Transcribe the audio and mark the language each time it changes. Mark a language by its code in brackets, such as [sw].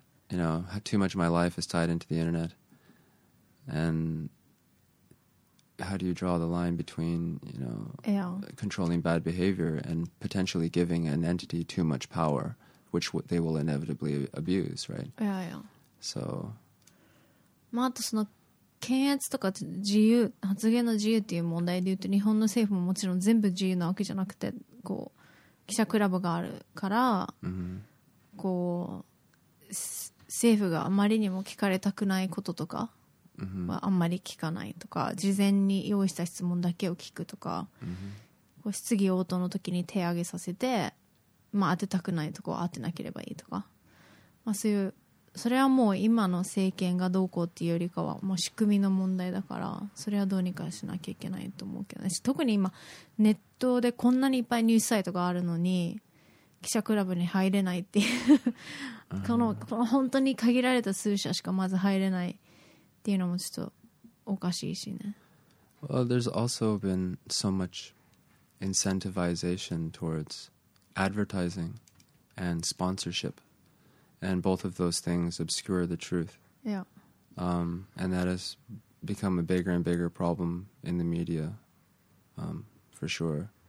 [en] You know, too much of my life is tied into the internet. And... How do you draw the line between, you know, controlling bad behavior and potentially giving an entity too much power, which they will inevitably abuse, right? Yeah, yeah. So, [ja] まああとその検閲とか自由、発言の自由っていう問題で言うと、日本の政府ももちろん全部自由なわけじゃなくて、こう記者クラブがあるから、こう政府があまりにも聞かれたくないこととか。 Mm-hmm. あんまり聞かないとか、事前に用意した質問だけを聞くとか、 mm-hmm. こう質疑応答の時に手挙げさせて、まあ、当てたくないとこは当てなければいいとか、まあ、そういう、それはもう今の政権がどうこうっていうよりかはもう仕組みの問題だから、それはどうにかしなきゃいけないと思うけどね。特に今ネットでこんなにいっぱいニュースサイトがあるのに記者クラブに入れないっていうこの本当に限られた数社しかまず入れないっていうのもちょっとおかしいしね。 [en] Well, there's also been so much incentivization towards advertising and sponsorship, and both of those things obscure the truth. Yeah. And that has become a bigger and bigger problem in the media, for sure.